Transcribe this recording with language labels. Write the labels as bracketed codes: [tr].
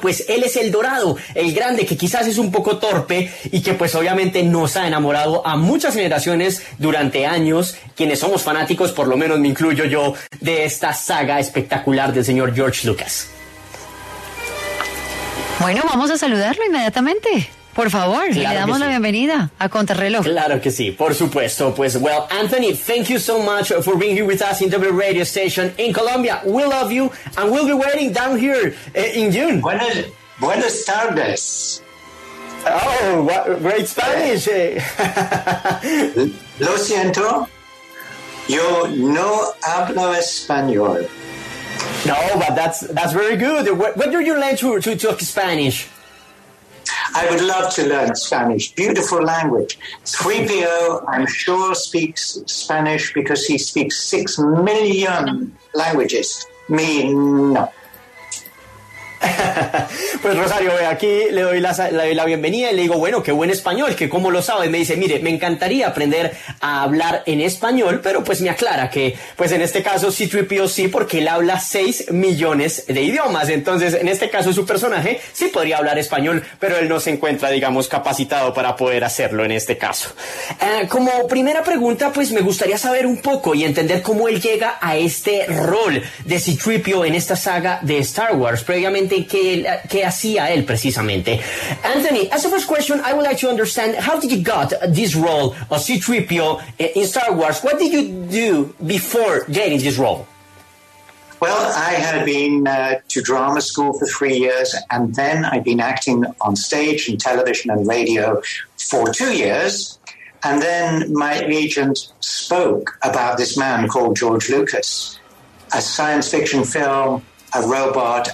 [es] Pues él es el dorado, el grande, que quizás es un poco torpe y que pues obviamente nos ha enamorado a muchas generaciones durante años, quienes somos fanáticos, por lo menos me incluyo yo, de esta saga espectacular del señor George Lucas. Bueno, vamos a saludarlo inmediatamente. Por favor, claro, le damos la bienvenida a Contrarreloj. Claro que sí, por supuesto. Pues, [en] well, Anthony, thank you so much for being here with us in W Radio Station in Colombia. We love you and we'll be waiting down here in June. [es] Buenas tardes. [en] Oh, what, great Spanish. [es] Lo siento, yo no hablo español. [en] No, but that's very good. What did you learn to talk Spanish? I would love to learn Spanish. Beautiful language. 3PO, I'm sure, speaks Spanish because he speaks 6 million languages. Me, no. [es] Pues Rosario, aquí le doy la bienvenida y le digo, bueno, qué buen español, que cómo lo sabe. Me dice, mire, me encantaría aprender a hablar en español, pero pues me aclara que, pues en este caso C-3PO sí, porque él habla 6 millones de idiomas. Entonces, en este caso su personaje sí podría hablar español, pero él no se encuentra, digamos, capacitado para poder hacerlo en este caso. Como primera pregunta, pues me gustaría saber un poco y entender cómo él llega a este rol de C-3PO en esta saga de Star Wars. Previamente, que hacía él precisamente. [en] Anthony, as a first question, I would like to understand, how did you got this role of C-3PO in Star Wars? What did you do before getting this role? Well, I had been to drama school for 3 years, and then I'd been acting on stage and television and radio for 2 years, and then my agent spoke about this man called George Lucas, a science fiction film, a robot.